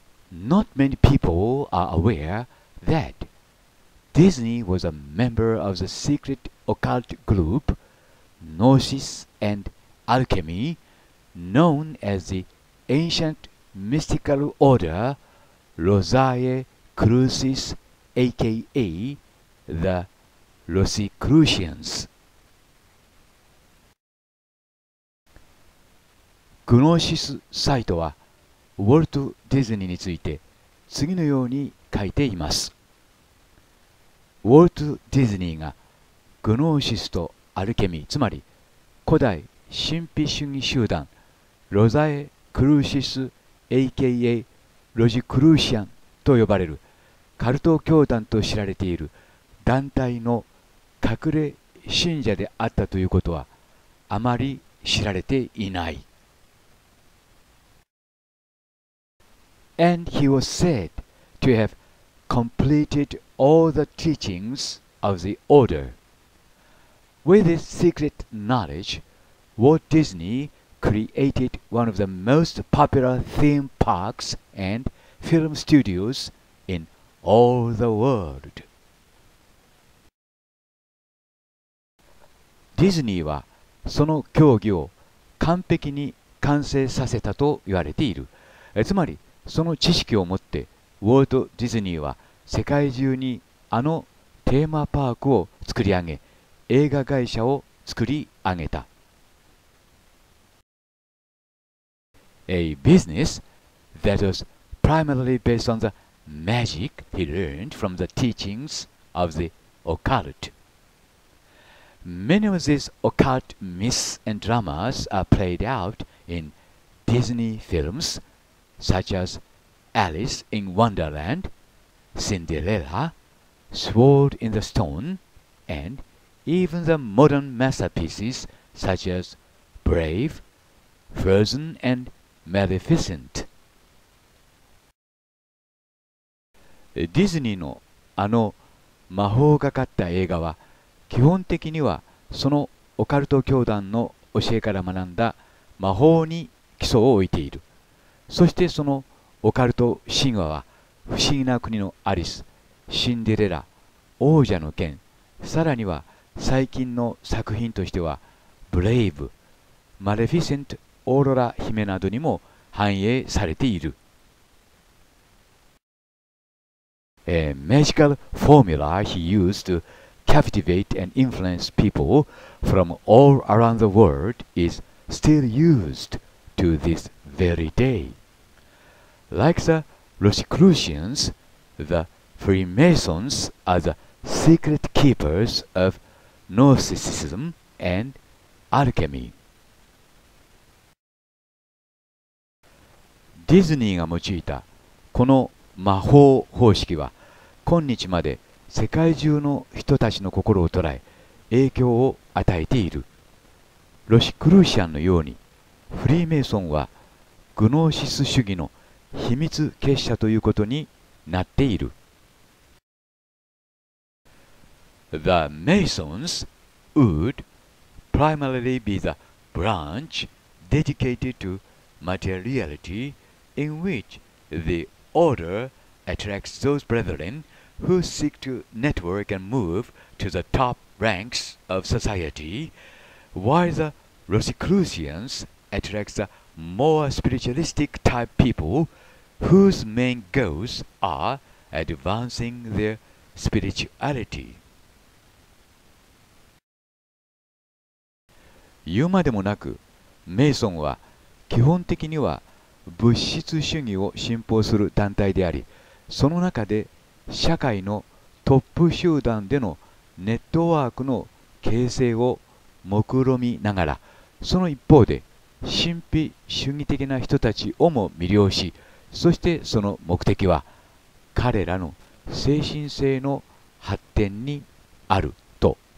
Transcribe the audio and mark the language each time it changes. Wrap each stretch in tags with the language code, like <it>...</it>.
<en>Not many people are aware that Disney was a member of the secret occult group Gnosis and Alchemy, known as the Ancient Mystical Order Rosae Crucis, aka theRosicrucians。</en> <ja>グノーシスサイトはウォルト・ディズニーについて次のように書いています。ウォルト・ディズニーがグノーシスとアルケミー、つまり古代神秘主義集団ロザエ・クルーシス aka ロジクルーシアンと呼ばれるカルト教団と知られている団体の隠れ信者であったということはあまり知られていない。</ja> <en>And he was said to have completed all the teachings of the order. With this secret knowledge, Walt Disney created one of the most popular theme parks and film studios in all the world.</en> <ja>ディズニーはその競技を完璧に完成させたと言われている。つまり、その知識を持って、ウォルト・ディズニーは世界中にあのテーマパークを作り上げ、映画会社を作り上げた。</ja> <en>A business that was primarily based on the magic he learned from the teachings of the occult. Many of these occult myths and dramas are played out in Disney films such as Alice in Wonderland, Cinderella, Sword in the Stone, and even the modern masterpieces such as Brave, Frozen, and Maleficent.</en> <ja>ディズニーのあの魔法がかった映画は基本的にはそのオカルト教団の教えから学んだ魔法に基礎を置いている。そしてそのオカルト神話は不思議な国のアリス、シンデレラ、王者の剣、さらには最近の作品としてはブレイブ、マレフィセント、オーロラ姫などにも反映されている。</ja> <en>A magical formula he used to captivate and influence people from all around the world is still used to this very day. Like the Rosicrucians, the Freemasons are the secret keepers of Gnosticism and Alchemy.</en> <ja>ディズニーが用いたこの魔法方式は今日まで世界中の人たちの心を捉え影響を与えている。ロシクルーシアンのようにフリーメイソンはグノーシス主義の秘密結社ということになっている。</ja> <en>The Masons would primarily be the branch dedicated to materiality in which the order attracts those brethren who seek to network and move to the top ranks of society, while the Rosicrucians attracts the more spiritualistic type people whose main goals are advancing their spirituality.</en> <ja>言うまでもなく、メイソンは基本的には物質主義を信奉する団体であり、その中で社会のトップ集団でのネットワークの形成を目論みながら、その一方で神秘主義的な人たちをも魅了し、そしてその目的は彼らの精神性の発展にあると。</ja>